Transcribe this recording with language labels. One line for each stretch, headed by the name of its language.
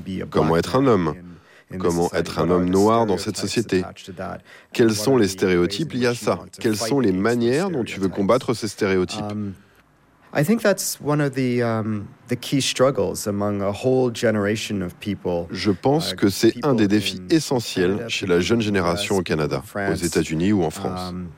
French: Comment être un homme ? Comment être un homme noir dans cette société ? Quels sont les stéréotypes liés à ça ? Quelles sont les manières dont tu veux combattre ces stéréotypes ?
English: I think that's one of the key struggles among a whole generation of people.
French: Je pense que c'est un des défis essentiels chez la jeune génération au Canada, aux États-Unis ou en France.